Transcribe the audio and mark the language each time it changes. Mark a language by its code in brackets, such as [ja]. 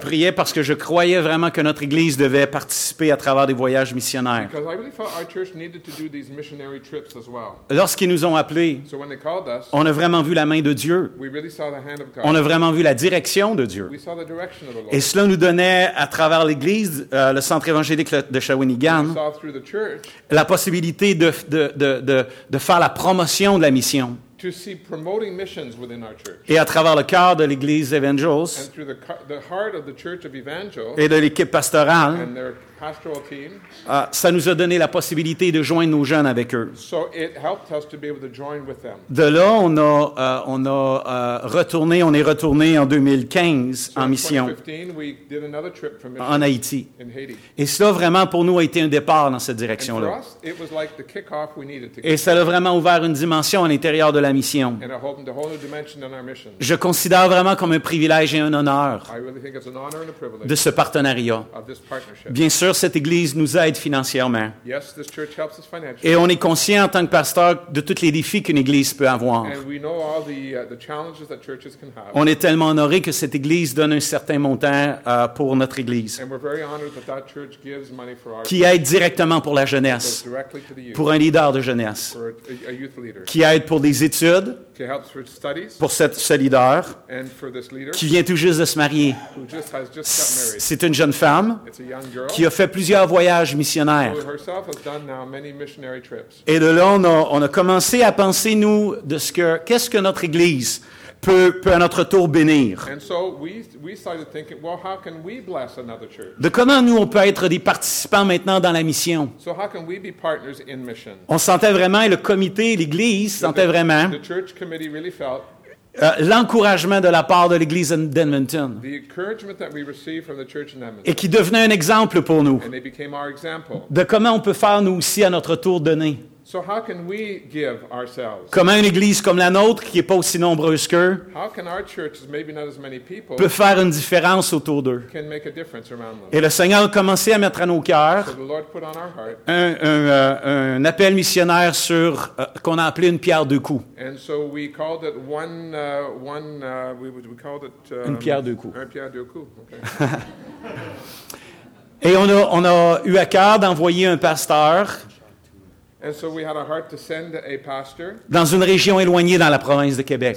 [fr] Priais parce que je croyais vraiment que notre Église église devait participer à travers des voyages missionnaires. [en] Because I really thought our church needed to do these missionary trips as well. [fr] Lorsqu'ils nous ont appelés, [en] so when they called us, [fr] on a vraiment vu la main de Dieu. [en] We really saw the hand of God. [fr] On a vraiment vu la direction de Dieu. [en] We saw the direction of the Lord. [fr] Et cela nous donnait à travers l'église, le centre évangélique de Shawinigan, [en] we saw through the church, [fr] la possibilité de faire la promotion de la mission. [en] To see promoting missions within our church. [fr] Et à travers le cœur de l'Église Evangels, [en] and through the heart of the Church of Evangels, [fr] et de l'équipe pastorale, [en] and their pastoral team, [fr] ça nous a donné la possibilité de joindre nos jeunes avec eux. [en] So it helped us to be able to join with them. [fr] De là, on est retourné en 2015 [en] so [fr] en mission, [en] 2015, we did another trip for mission [fr] en Haïti. [en] In Haiti. [fr] Et cela vraiment pour nous a été un départ dans cette direction-là. [en] And for us, it was like the kickoff we needed to get. [fr] Et ça a vraiment ouvert une dimension à l'intérieur de la mission. [en] And a whole, the whole new dimension in our mission. [fr] Je considère vraiment comme un privilège et un honneur, [en] I really think it's an honor and a privilege, [fr] de ce partenariat. [en] Of this partnership. [fr] Bien sûr, cette église nous aide financièrement. [en] Yes, this church helps us financially. [fr] Et on est conscient en tant que pasteur de tous les défis qu'une église peut avoir. [en] And we know all the challenges that churches can have. [fr] On est tellement honoré que cette église donne un certain montant pour notre église, [en] and we're very honored that that church gives money for our [fr] qui aide directement pour la jeunesse, [en] goes directly to the youth, [fr] pour un leader de jeunesse, [en] for a youth leader, [fr] qui aide pour des études, [en] who helps for studies, [fr] pour ce leader, [en] and for this leader [fr] qui vient tout juste de se marier. [en] Who just has just got married. [fr] C'est une jeune femme, [en] it's a young girl, [fr] qui a fait plusieurs voyages missionnaires. [en] Who herself has done now many missionary trips. [fr] Et de là, on a commencé à penser, nous, de ce que, qu'est-ce que notre Église peut à notre tour bénir. [en] And so we started thinking, well, how can we bless another church? [fr] De comment nous, on peut être des participants maintenant dans la mission. [en] So how can we be partners in mission? [fr] On sentait vraiment, et le comité, l'Église sentait vraiment, [en] the church committee really felt, [fr] l'encouragement de la part de l'Église d'Edmonton, [en] the encouragement that we received from the church in Edmonton, [fr] et qui devenait un exemple pour nous, [en] and they became our example, [fr] de comment on peut faire, nous aussi, à notre tour, donner. [en] So how can we give ourselves? [fr] Comment une église comme la nôtre, qui n'est pas aussi nombreuse qu'eux, [en] how can our churches, maybe not as many people, [fr] peut faire une différence autour d'eux? [en] Can make a difference around them. [fr] Et le Seigneur a commencé à mettre à nos cœurs, [en] so the Lord put on our heart, [fr] un appel missionnaire sur qu'on a appelé une pierre deux coups. [en] And so we called it [fr] une pierre deux coups. Un pierre deux coups. Okay. Et on a eu à cœur d'envoyer un pasteur. [en] And so we had a heart to send a pastor [fr] dans une région éloignée dans la province de Québec.